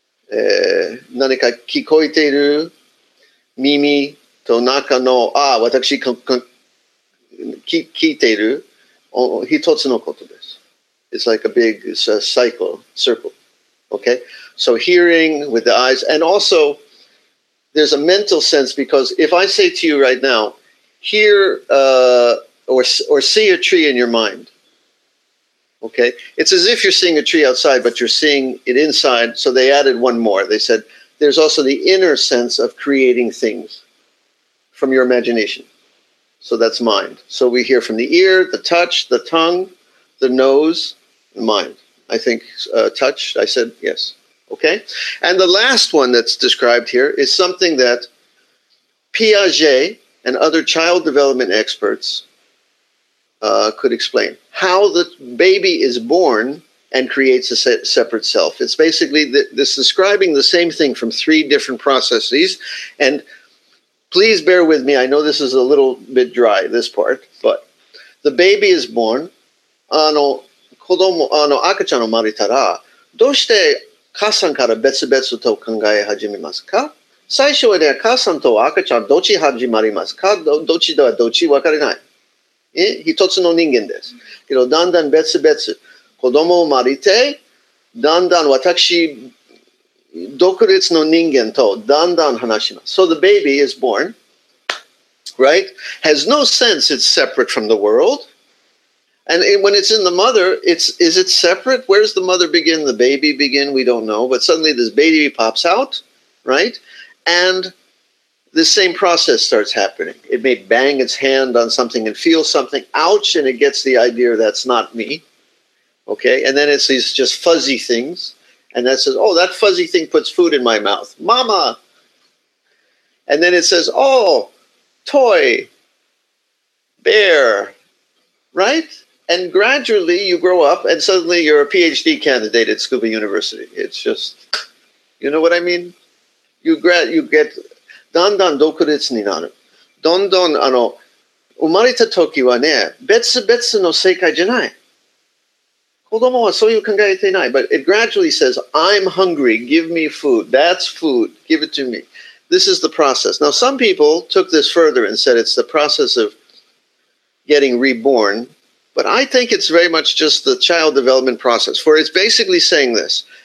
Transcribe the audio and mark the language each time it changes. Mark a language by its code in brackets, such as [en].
[ja] 何か聞こえている耳と中の、私か聞いている一つのことです。 [en] It's like a big cycle, circle. Okay? So hearing with the eyes, and also there's a mental sense, because if I say to you right now, hear or see a tree in your mind, okay? It's as if you're seeing a tree outside, but you're seeing it inside. So they added one more. They said, there's also the inner sense of creating things from your imagination. So that's mind. So we hear from the ear, the touch, the tongue, the nose, the mind. I think touch, I said yes. Okay? And the last one that's described here is something that Piaget and other child development experts could explain. How the baby is born and creates a separate self. It's basically this describing the same thing from three different processes. And please bear with me. I know this is a little bit dry, this part. But the baby is born. [ja] あの赤ちゃんを生まれたら、どうして母さんから別々と考え始めますか？最初はね、母さんと赤ちゃんどっち始まりますか？どっちではどっち分からない。一つの人間です。けど、だんだん別々。子供を生まれて、だんだん私、独立の人間とだんだん話します。 [en] So the baby is born, right? Has no sense it's separate from the world. And when it's in the mother, is it separate? Where does the mother begin? The baby begin? We don't know. But suddenly this baby pops out, right? And the same process starts happening. It may bang its hand on something and feel something. Ouch, and it gets the idea that's not me. Okay, and then it's these just fuzzy things. And that says, oh, that fuzzy thing puts food in my mouth. Mama! And then it says, oh, toy, bear, right? And gradually you grow up and suddenly you're a PhD candidate at Scuba University. It's just, you know what I mean? You get, [ja] どんどん独立になる。どんどん、あの、生まれた時はね、別々の世界じゃない。子供はそういう考えてない。 [en] But it gradually says, I'm hungry, give me food. That's food, give it to me. This is the process. Now, some people took this further and said it's the process of getting reborn. But I think it's very much just the child development process. For it's basically saying this.